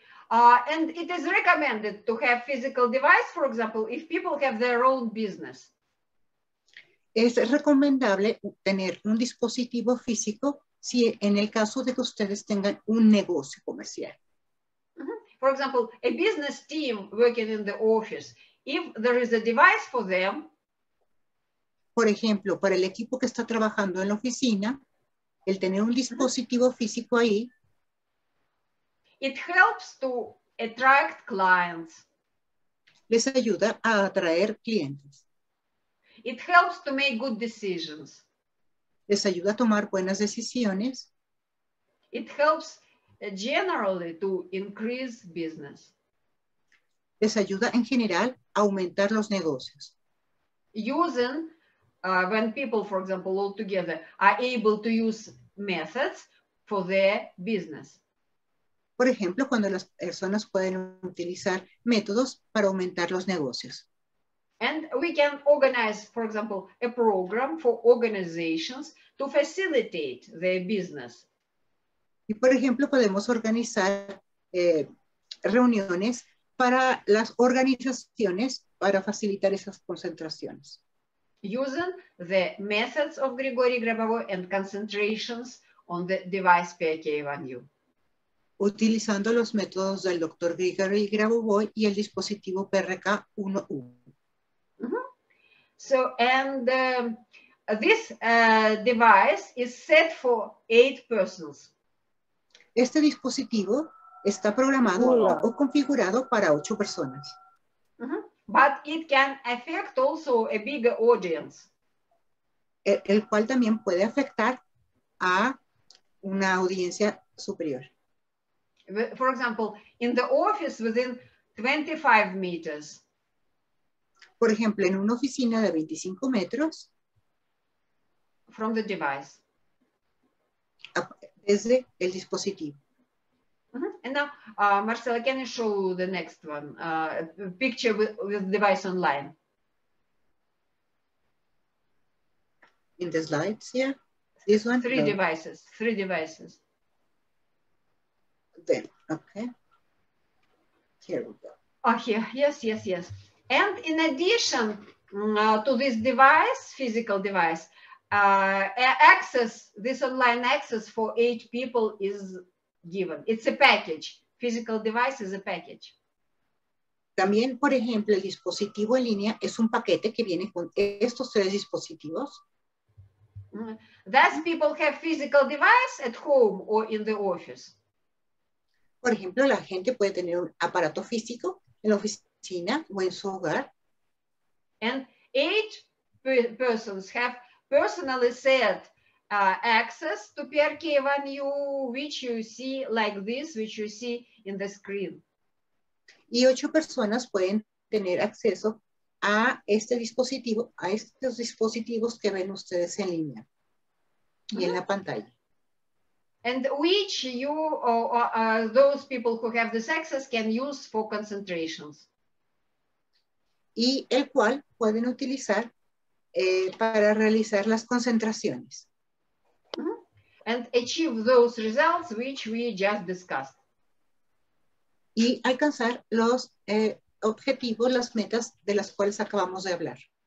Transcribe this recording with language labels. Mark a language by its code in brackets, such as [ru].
[en] And it is recommended to have physical device, for example, if people have their own business. [es] Es recomendable tener un dispositivo físico si en el caso de que ustedes tengan un negocio comercial. [en] For example, a business team working in the office, if there is a device for them. [es] Por ejemplo, para el equipo que está trabajando en la oficina, el tener un dispositivo físico ahí. [en] It helps to attract clients. [es] Les ayuda a atraer clientes. [en] It helps to make good decisions. [es] Les ayuda a tomar buenas decisiones. [en] It helps generally to increase business. [es] Les ayuda en general a aumentar los negocios. [en] Using, when people, for example, all together, are able to use methods for their business. [es] Por ejemplo, cuando las personas pueden utilizar métodos para aumentar los negocios. [en] And we can organize, for example, a program for organizations to facilitate their business. [es] Y por ejemplo, podemos organizar reuniones para las organizaciones para facilitar esas concentraciones. [en] Using the methods of Grigori Grabovoi and concentrations on the device PIK1U. [es] Utilizando los métodos del Dr. Grigori Grabovoi y el dispositivo PRK1U. [en] So, and this device is set for 8 persons. [es] Este dispositivo está programado o configurado para 8 personas. [en] But it can affect also a bigger audience. [es] El cual también puede afectar a una audiencia superior. [en] For example, in the office within 25 meters. [es] Por ejemplo, en una oficina de 25 metros. [en] From the device. [es] Desde el dispositivo. [en] And now, Marcela, can you show the next one? Picture with the device online. In the slides, yeah. This one? Three devices. Then, okay. Here we go. Oh, here. Yes. And in addition to this device, physical device, access, this online access for 8 people is given. It's a package. Physical device is a package. [es] También, por ejemplo, el dispositivo en línea es un paquete que viene con estos tres dispositivos. [en] Thus, people have physical device at home or in the office. [es] Por ejemplo, la gente puede tener un aparato físico en la oficina o en su hogar. [en] And 8 persons have personally set access to PRK1U, which you see like this, which you see in the screen. [es] Y 8 personas pueden tener acceso a este dispositivo, a estos dispositivos que ven ustedes en línea y en la pantalla. [en] And which you or those people who have this access can use for concentrations. [es] Y el cual pueden utilizar para realizar las concentraciones. [en] And achieve those results which we just discussed. [es] Y alcanzar los objetivos, las metas de las cuales acabamos de hablar.